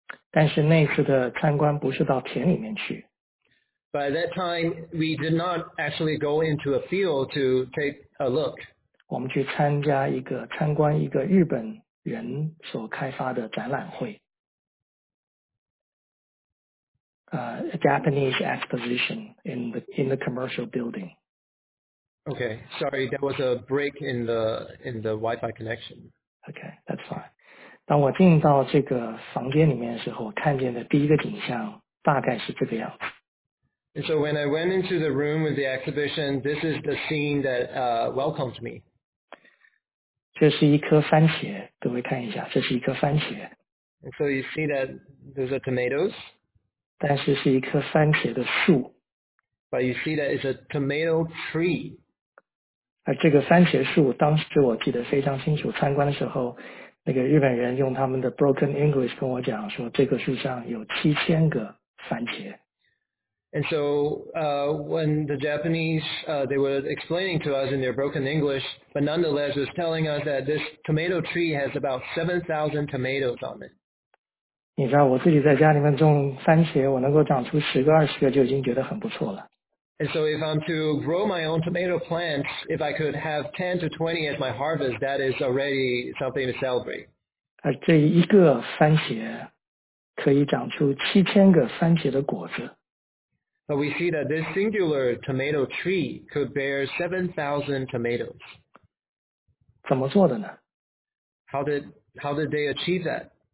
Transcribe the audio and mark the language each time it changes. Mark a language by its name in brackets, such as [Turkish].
[Chinese] 但是那次的参观不是到田里面去。 [English] By that time, we did not actually go into a field to take a look. [Chinese] 我们去参加一个参观一个日本人所开发的展览会。 [English] A Japanese exposition in the commercial building. Okay, sorry, that was a break in the Wi-Fi connection. Okay, that's fine. [Chinese] 当我进到这个房间里面的时候，看见的第一个景象大概是这个样子。 [English] And so when I went into the room with the exhibition, this is the scene that welcomed me. [Chinese] 这是一颗番茄，各位看一下，这是一颗番茄。 [English] And so you see that those are tomatoes. [Chinese] 但是是一颗番茄的树。 [English] But you see that it's a tomato tree. [Chinese] 而这个番茄树当时我记得非常清楚，参观的时候那个日本人用他们的 [English] broken English [Chinese] 跟我讲说这个树上有7000个番茄。 [English] And so, when the Japanese, they were explaining to us in their broken English, but nonetheless was telling us that this tomato tree has about 7,000 tomatoes on it. [Chinese] 你知道我自己在家里面种番茄，我能够长出10个20个就已经觉得很不错了。 [English] And so if I'm to grow my own tomato plants, if I could have 10 to 20 as my harvest, that is already something to celebrate. [Chinese] 而这一个番茄可以长出7000个番茄的果子。 [English] But we see that this singular tomato tree could bear 7,000 tomatoes. [Chinese] 怎么做的呢？ [English] How did they achieve that?